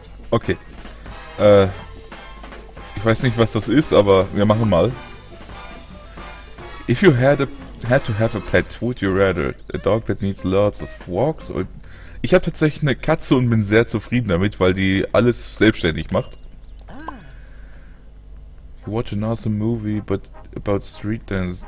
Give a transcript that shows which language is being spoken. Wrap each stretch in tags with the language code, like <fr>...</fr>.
<de>Okay. Okay. Ich weiß nicht, was das ist, aber wir machen mal.</de> <en>If you had a had to have a pet, would you rather a dog that needs lots of walks or...</en> <de>Ich habe tatsächlich eine Katze und bin sehr zufrieden damit, weil die alles selbstständig macht.</de> <en>You watch an awesome movie but about street dance.</en>